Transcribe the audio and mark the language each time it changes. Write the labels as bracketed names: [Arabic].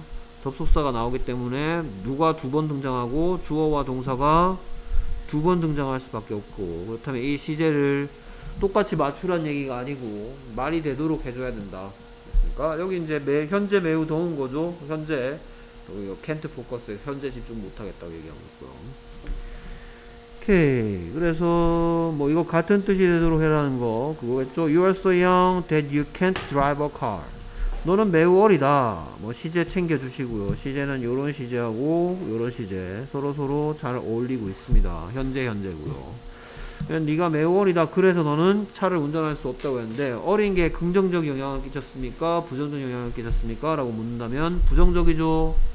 [Korean] 접속사가 나오기 때문에 누가 두 번 등장하고 주어와 동사가 두 번 등장할 수밖에 없고 그렇다면 이 시제를 똑같이 맞추라는 얘기가 아니고 말이 되도록 해줘야 된다. 됐습니까? 여기 이제 현재 매우 더운 거죠. 현재 [English] can't focus [Korean] 현재 집중 못하겠다고 얘기하고 있어요. 오케이. 그래서 뭐 이거 같은 뜻이 되도록 해라는 거 그거겠죠. [English] You are so young that you can't drive a car. [Korean] 너는 매우 어리다. 뭐 시제 챙겨주시고요. 시제는 요런 시제하고 요런 시제 서로서로 잘 어울리고 있습니다. 현재고요. 그냥 네가 매우 어리다. 그래서 너는 차를 운전할 수 없다고 했는데 어린 게 긍정적 영향을 끼쳤습니까? 부정적 영향을 끼쳤습니까? 라고 묻는다면 부정적이죠.